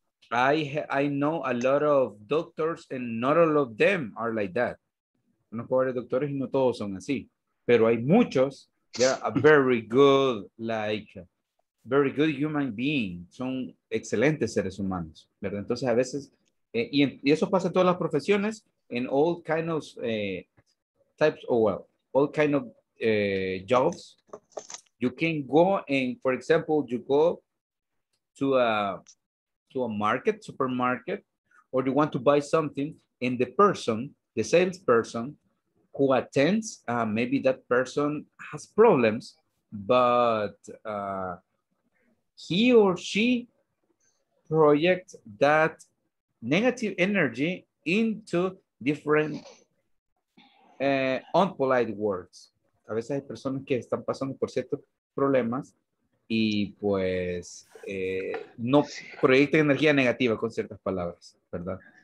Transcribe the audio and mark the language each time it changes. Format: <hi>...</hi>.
<en>I know a lot of doctors and not all of them are like that.</en> <es>No puedo hablar de doctores y no todos son así. Pero hay muchos que</es> <en>are very good, like very good human beings.</en> <es>Son excelentes seres humanos, ¿verdad? Entonces a veces... Y eso pasa en todas las profesiones, en</es> <en>all kind of types, or well, all kind of jobs. You can go and, for example, you go to a market, supermarket, or you want to buy something, And the person, the salesperson who attends, maybe that person has problems, but he or she projects that negative energy into different unpolite words.</en> <es>A veces hay personas que están pasando por ciertos problemas y pues no proyectan energía negativa con ciertas palabras, ¿verdad?</es>